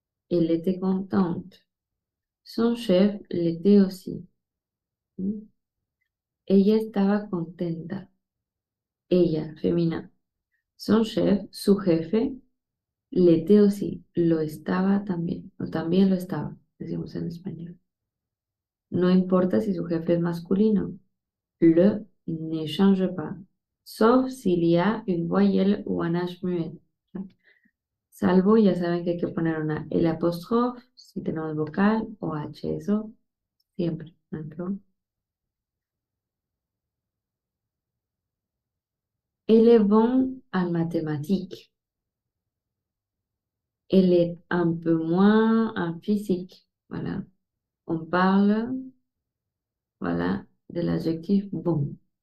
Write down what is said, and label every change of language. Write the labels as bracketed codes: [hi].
[fr] Elle était contente. Son chef l'était aussi. [es] Ella estaba contenta. Ella, féminin. [fr] Son chef, [es] su jefe, [fr] l'était aussi. [es] Lo estaba también. O también lo estaba, decimos en español. No importa si su jefe es masculino. [fr] Le ne change pas, sauf s'il y a une voyelle ou un H muet. [es] Salvo, ya saben que hay que poner una L apostrophe, si tenemos vocal, o H, eso, siempre. ¿No? [fr] Elle est bonne en mathématiques. Elle est un peu moins en physique. Voilà. on parle, voilà, de l'adjectif bon.